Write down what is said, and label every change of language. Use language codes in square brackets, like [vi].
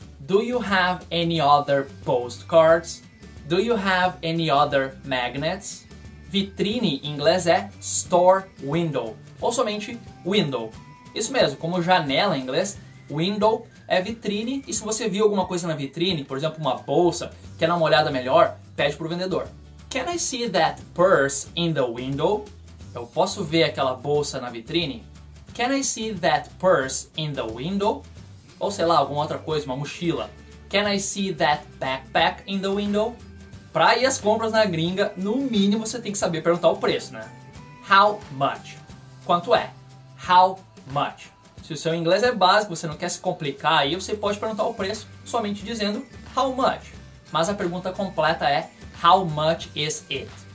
[en] Do you have any other postcards? Do you have any other magnets? [pt] Vitrine em inglês é store window, ou somente window. Isso mesmo, como janela em inglês, window é vitrine, e se você viu alguma coisa na vitrine, por exemplo, uma bolsa, quer dar uma olhada melhor, pede para o vendedor. [en] Can I see that purse in the window? [pt] Eu posso ver aquela bolsa na vitrine? [en] Can I see that purse in the window? [pt] Ou sei lá, alguma outra coisa, uma mochila. [en] Can I see that backpack in the window? [pt] Para ir às compras na gringa, no mínimo você tem que saber perguntar o preço, né? [en] How much? [pt] Quanto é? [en] How much? [pt] Se o seu inglês é básico, você não quer se complicar, aí você pode perguntar o preço somente dizendo how much. Mas a pergunta completa é [en] how much is it?